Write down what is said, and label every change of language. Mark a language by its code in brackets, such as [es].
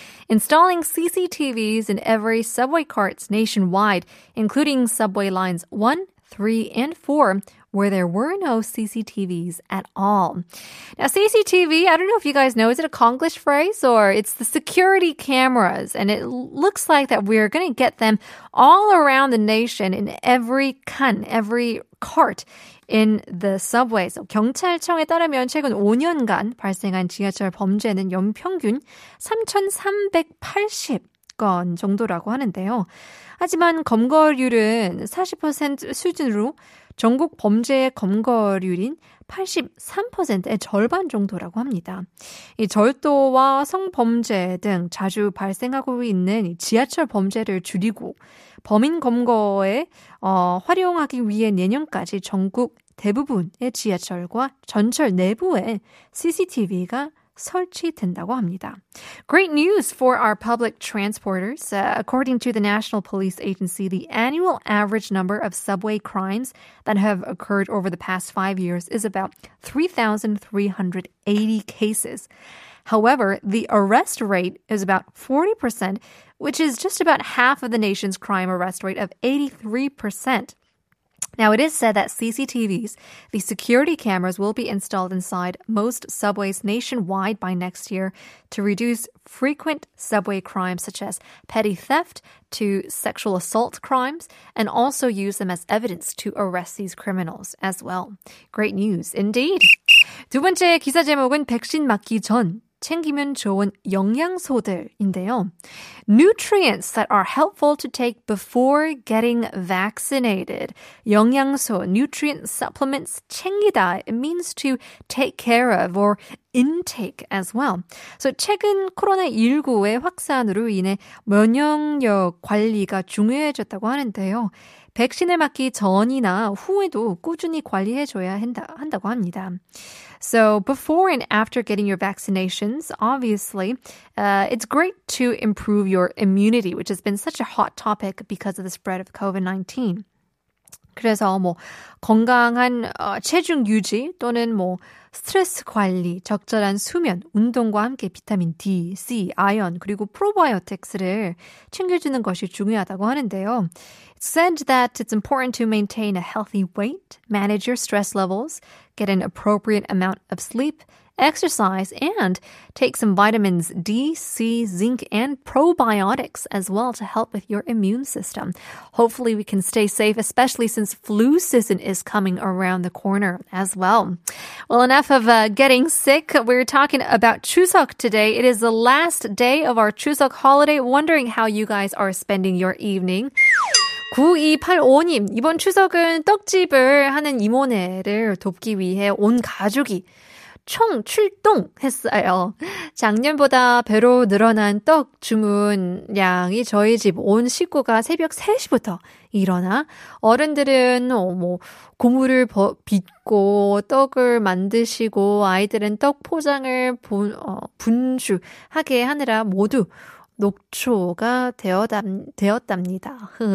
[en] Installing CCTVs in every subway carts nationwide, including subway lines 1, 3, and 4, where there were no CCTVs at all. Now, CCTV, I don't know if you guys know, is it a Konglish phrase? Or it's the security cameras. And it looks like that we're going to get them all around the nation in every kan, every cart in the subway. [ko] So 경찰청에 따르면 최근 5년간 발생한 지하철 범죄는 연평균 3,380. 건 정도라고 하는데요. 하지만 검거율은 40% 수준으로 전국 범죄의 검거율인 83%의 절반 정도라고 합니다. 이 절도와 성범죄 등 자주 발생하고 있는 이 지하철 범죄를 줄이고 범인 검거에 활용하기 위해 내년까지 전국 대부분의 지하철과 전철 내부에 CCTV가 설치된다고 합니다. [en] Great news for our public transporters. According to the National Police Agency, the annual average number of subway crimes that have occurred over the past 5 years is about 3,380 cases. However, the arrest rate is about 40%, which is just about half of the nation's crime arrest rate of 83%. Now, it is said that CCTVs, the security cameras, will be installed inside most subways nationwide by next year to reduce frequent subway crimes such as petty theft to sexual assault crimes and also use them as evidence to arrest these criminals as well. Great news indeed. [ko] 두 번째 기사 제목은 백신 맞기 전 챙기면 좋은 영양소들인데요. [en] Nutrients that are helpful to take before getting vaccinated. 영양소, nutrient supplements 챙기다. It means to take care of or intake as well. [ko] So 최근 코로나19의 확산으로 인해 면역력 관리가 중요해졌다고 하는데요. 백신을 맞기 전이나 후에도 꾸준히 관리해줘야 한다고 합니다. [en] So before and after getting your vaccinations, obviously, it's great to improve your immunity, which has been such a hot topic because of the spread of COVID-19. [ko] 그래서 뭐 건강한 체중 유지 또는 뭐 스트레스 관리, 적절한 수면, 운동과 함께 비타민 D, C, 아연, 그리고 프로바이오틱스를 챙겨주는 것이 중요하다고 하는데요. [en] It's said that it's important to maintain a healthy weight, manage your stress levels, get an appropriate amount of sleep, exercise, and take some vitamins D, C, zinc, and probiotics as well to help with your immune system. Hopefully we can stay safe, especially since flu season is coming around the corner as well. Well, enough of getting sick. We're talking about Chuseok today. It is the last day of our Chuseok holiday. Wondering how you guys are spending your evening. [ko] 9285님, 이번 추석은 떡집을 하는 이모네를 돕기 위해 온 가족이 총 출동했어요. 작년보다 배로 늘어난 떡 주문량이 저희 집 온 식구가 새벽 3시부터 일어나 어른들은 뭐 고무를 빚고 떡을 만드시고 아이들은 떡 포장을 분주하게 하느라 모두 녹초가 되었답니다.